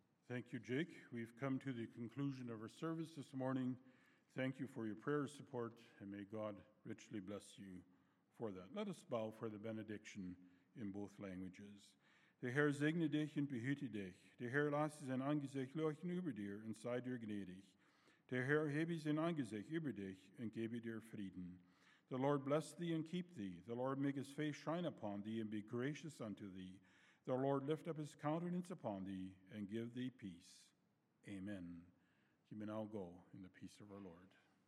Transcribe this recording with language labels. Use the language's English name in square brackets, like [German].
[English] Thank you, Jake. We've come to the conclusion of our service this morning. Thank you for your prayer support, and may God richly bless you for that. Let us bow for the benediction in both languages. [German] Der Herr segne dich und behüte dich. Der Herr lasse sein Angesicht leuchten über dir und sei dir gnädig. Der Herr hebe sein Angesicht über dich und gebe dir Frieden. [English] The Lord bless thee and keep thee. The Lord make his face shine upon thee and be gracious unto thee. The Lord lift up his countenance upon thee and give thee peace. Amen. You may now go in the peace of our Lord.